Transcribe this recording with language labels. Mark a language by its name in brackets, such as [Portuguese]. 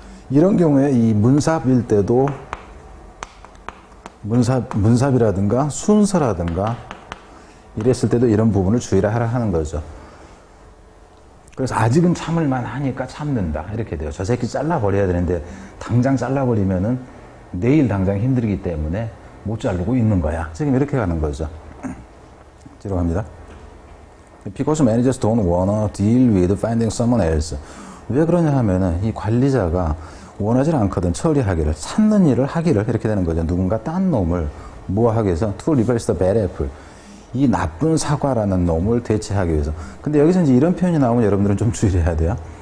[Korean] 이런 경우에 이 문사일 때도 문사이라든가 순서라든가 이랬을 때도 이런 부분을 주의를 하라 하는 거죠. 그래서 아직은 참을만 하니까 참는다 이렇게 돼요. 저 새끼 잘라버려야 되는데 당장 잘라버리면은 내일 당장 힘들기 때문에 못 자르고 있는 거야. 지금 이렇게 가는 거죠. 뒤로 갑니다. [English] Because managers don't wanna deal with finding someone else. [Korean] 왜 그러냐 하면은 이 관리자가 원하지 않거든. 처리하기를. 찾는 일을 하기를. 이렇게 되는 거죠. 누군가 딴 놈을 무화하게 해서 [English] to replace the bad apple. [Korean] 이 나쁜 사과라는 놈을 대체하기 위해서. 근데 여기서 이제 이런 표현이 나오면 여러분들은 좀 주의를 해야 돼요.